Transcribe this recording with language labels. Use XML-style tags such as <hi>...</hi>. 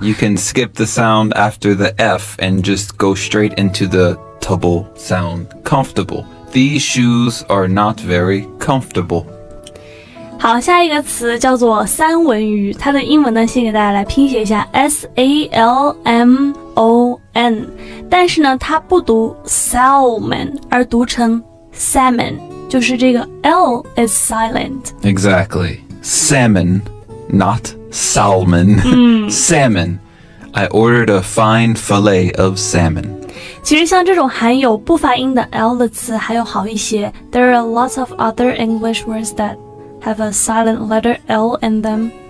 <en>You can skip the sound after the F and just go straight into the tubble sound. Comfortable. These shoes are not very comfortable.</en> <zh>好，下一个词叫做三文鱼，它的英文呢，先给大家来拼写一下 S-A-L-M-O-N. 但是呢，它不读 salmon, 而读成 salmon.就是这个</zh> <en>L is silent. Exactly. Salmon. not salmon,、嗯、 salmon. I ordered a fine fillet of salmon.</en> <zh>其实像这种含有不发音的 L 的词还有好一些。</zh> <en>There are lots of other English words that have a silent letter L in them.</en>